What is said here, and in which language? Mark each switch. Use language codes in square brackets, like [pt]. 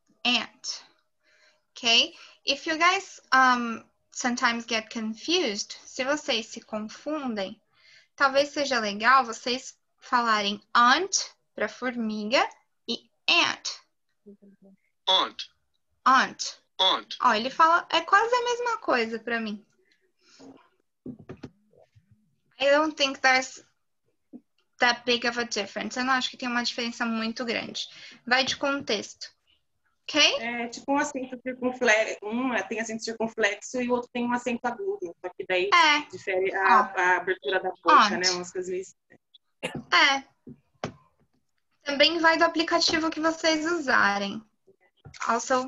[pt] Ant. Ok. [en] If you guys sometimes get confused, [pt] se vocês se confundem, talvez seja legal vocês falarem aunt para formiga e ant. [en] Aunt. Aunt. Aunt. [pt] Ó, ele fala, é quase a mesma coisa pra mim. [en] I don't think there's that big of a difference. [pt] Eu não acho que tem uma diferença muito grande. Vai de contexto. Ok? É, tipo um acento circunflexo. Um tem acento circunflexo e o outro tem um acento agudo. Só que daí é. Difere a abertura da boca, aunt. Né? Umas coisas. É. Também vai do aplicativo que vocês usarem. Also,